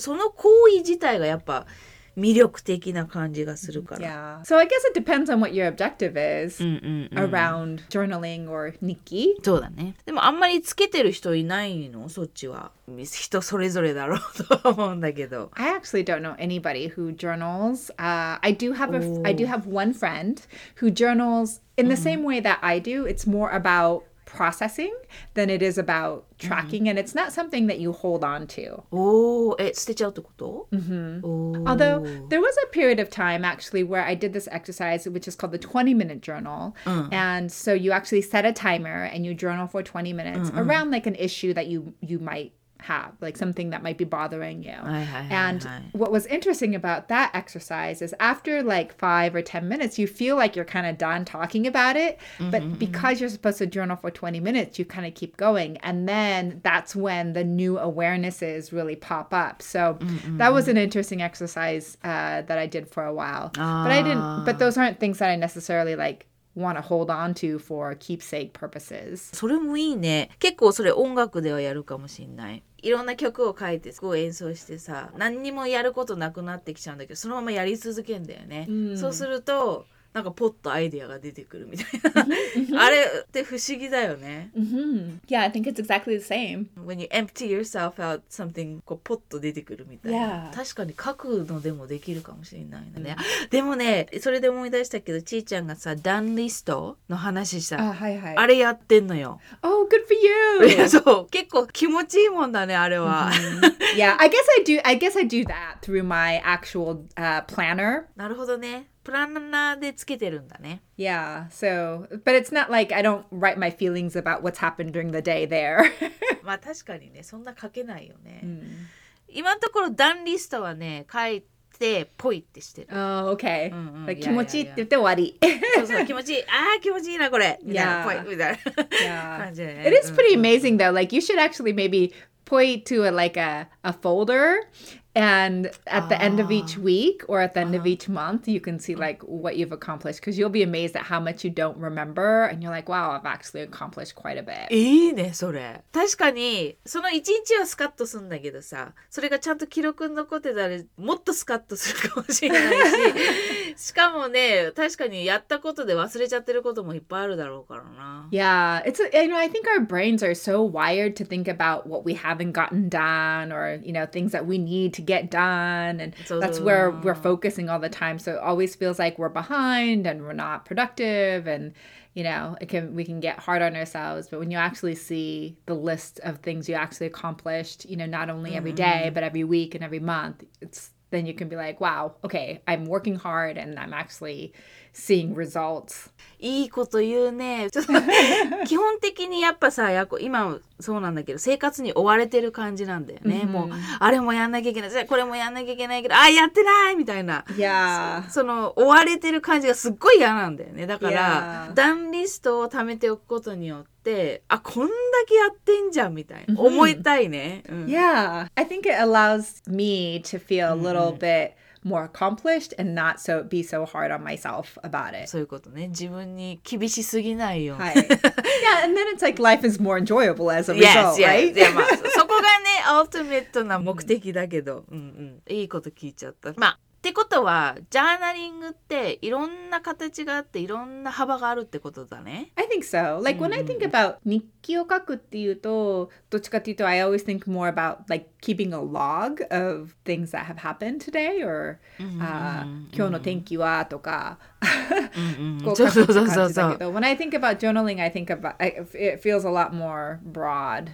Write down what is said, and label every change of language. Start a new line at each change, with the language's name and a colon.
Japanese: その行為自体がやっぱ魅力的な感じがするから。
English: So I guess it depends on what your objective is around journaling or 日記。
Japanese: そうだね。でもあんまりつけてる人いないの？そっちは。人それぞれだろうと思うんだけど。
English: I actually don't know anybody who journals. I do have one friend who journals in the same way that I do. It's more about processing than it is about tracking, and it's not something that you hold on to. Although there was a period of time actually where I did this exercise, which is called the 20-minute journal, and so you actually set a timer and you journal for 20 minutes around like an issue that you might have, like something that might be bothering you. What was interesting about that exercise is after like 5 or 10 minutes, you feel like you're kind of done talking about it. But because you're supposed to journal for 20 minutes, you kind of keep going. And then that's when the new awarenesses really pop up. So that was an interesting exercise that I did for a while. But those aren't things that I necessarily like. want to hold on to for keepsake purposes.
Japanese: それもいいね。結構それ音楽ではやるかもしれない。いろんな曲を書いてこう演奏してさ、何にもやることなくなってきちゃうんだけど、そのままやり続けんだよね。そうするとなんかポッとアイデアが出てくるみたいな。あれって不思議だよね。
English: Yeah, I think it's exactly the same. When you empty yourself out, something
Japanese: こうポッと出てくるみたいな。確かに書くのでもできるかもしれないね。でもね、それで思い出したけど、ちーちゃんがさ、ダンリストの話した。あれやってんのよ。
English: Oh, good for you!
Japanese: そう、結構気持ちいいもんだね、あれは。
English: Yeah, I guess I do that through my actual planner.
Japanese: なるほどね。プランナーでつけてるんだね。
English: Yeah, so, but it's not like I don't write my feelings about what's happened during the day there.
Japanese: まあ確かにね、そんな書けないよね。今のところダンリストはね、書いてポイってしてる。
English: Oh, okay.
Japanese: 気持ちいいって言って終わり。そうそう、気持ちいい。ああ、気持ちいいなこれ。 Yeah. ポイみたいな感じでね。
English: It is pretty amazing though. Like, you should actually maybe point to a folder. And at the end of each week or at the end of each month, you can see like what you've accomplished because you'll be amazed at how much you don't remember. And you're like, wow, I've actually accomplished quite a bit.
Japanese: いいね、それ。確かに、その1日はスカッとするんだけどさ、それがちゃんと記録に残ってたらもっとスカッとするかもしれないし。しかもね、確かにやったことで忘れちゃってることもいっぱいあるだろうからな。
English: Yeah, I think our brains are so wired to think about what we haven't gotten done or, you know, things that we need to get done, and that's where we're focusing all the time, so it always feels like we're behind and we're not productive, and you know, we can get hard on ourselves. But when you actually see the list of things you actually accomplished, you know, not only every day but every week and every month, then you can be like, wow, okay, I'm working hard and I'm actually seeing results.
Japanese: いいこと言うね。基本的にやっぱさ、今そうなんだけど、生活に追われてる感じなんだよね。もうあれもやんなきゃいけない、これもやんなきゃいけないけど、あ、やってないみたいな。その追われてる感じがすっごい嫌なんだよね。だから、ダンリストを貯めておくことによって、あ、こんだけやってんじゃんみたいな。思いたいね。
English: I think it allows me to feel a little bit more accomplished and not so be so hard on myself about it.
Japanese: そういうことね。自分に厳しすぎないよ。はい。
English: Yeah, and then it's like life is more enjoyable as a result, right? Yes, yes.
Japanese: そこがね、アルティメットな目的だけど。いいこと聞いちゃった。まあ、ってことは、ジャーナリングっていろんな形があっていろんな幅があるってことだね。
English: I think so. Like, when I think about
Japanese: 日記を書くっていうと、どっちかっていうと、
English: I always think more about, like, keeping a log of things that have happened today, or,
Japanese: 今日の天気はとか、こう書くって感じだけ
English: ど、when I think about journaling, I think about, it feels a lot more broad.